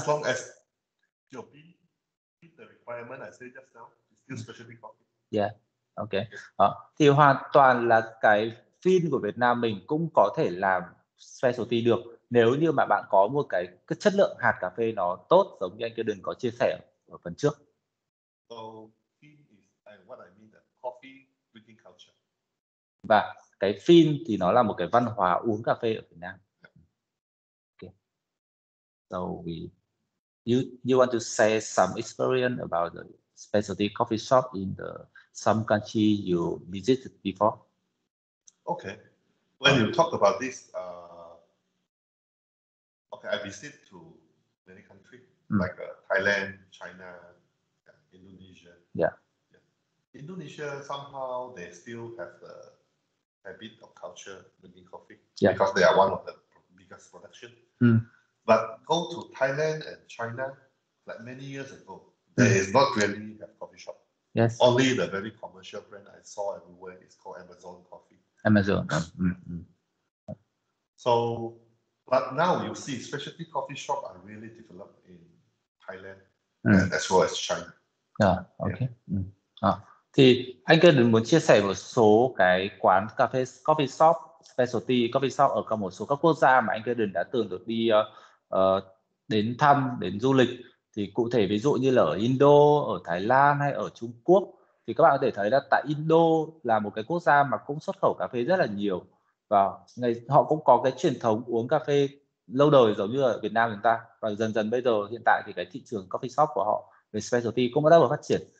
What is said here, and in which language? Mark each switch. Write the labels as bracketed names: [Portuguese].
[English] As long as your bean meet the requirement I say just now, it's still specialty coffee. Yeah. Okay. [Vietnamese] Thì hoàn toàn là cái phin của Việt Nam mình cũng có thể làm specialty được nếu như mà bạn có một cái chất lượng hạt cà phê nó tốt giống như anh Kiều Đình có chia sẻ ở phần trước. [English] So, phin is what I mean, that coffee drinking culture. [Vietnamese] Và cái phin thì nó là một cái văn hóa uống cà phê ở Việt Nam. [English] Okay. So we you want to say some experience about the specialty coffee shop in the some country you visited before? Okay. When you talk about this, I visit to many countries like Thailand, China, Indonesia. Yeah. Indonesia somehow they still have the habit of culture drinking coffee because they are one of the biggest production. Mm. But go to Thailand and China, like many years ago, there is not really a coffee shop. Yes. Only the very commercial brand I saw everywhere is called Amazon Coffee. Amazon. Mm-hmm. So, but now you see specialty coffee shops are really developed in Thailand as well as China. [Vietnamese] Thì anh cứ muốn chia sẻ một số cái quán cà phê coffee shop specialty coffee shop ở một số các quốc gia mà anh cứ đừng đã từng được đi đến thăm, đến du lịch. Thì cụ thể ví dụ như là ở Indo, ở Thái Lan hay ở Trung Quốc thì các bạn có thể thấy là tại Indo là một cái quốc gia mà cũng xuất khẩu cà phê rất là nhiều và họ cũng có cái truyền thống uống cà phê lâu đời giống như ở Việt Nam chúng ta và dần dần bây giờ hiện tại thì cái thị trường coffee shop của họ về specialty cũng đã được phát triển.